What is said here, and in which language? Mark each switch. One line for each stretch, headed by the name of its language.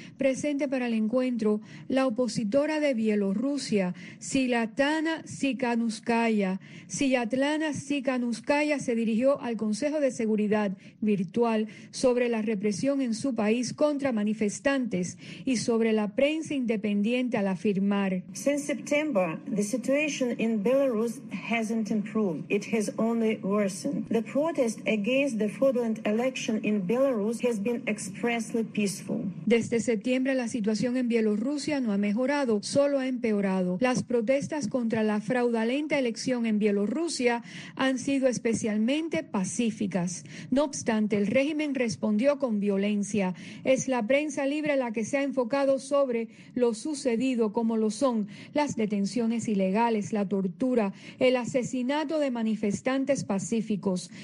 Spanish: Presente para el encuentro, la opositora de Bielorrusia, Svetlana Tikhanovskaya. Svetlana Tikhanovskaya se dirigió al Consejo de Seguridad Virtual sobre la represión en su país contra manifestantes y sobre la prensa independiente al afirmar:
English: Since September, the situation in Belarus hasn't improved. It has only worsened. The protest against the fraudulent election in Belarus has been expressly peaceful.
Spanish: Desde septiembre, la situación en Bielorrusia no ha mejorado, solo ha empeorado. Las protestas contra la fraudulenta elección en Bielorrusia han sido especialmente pacíficas. No obstante, el régimen respondió con violencia. Es la prensa libre la que se ha enfocado sobre lo sucedido, como lo son las detenciones ilegales, la tortura, el asesinato de manifestantes pacíficos.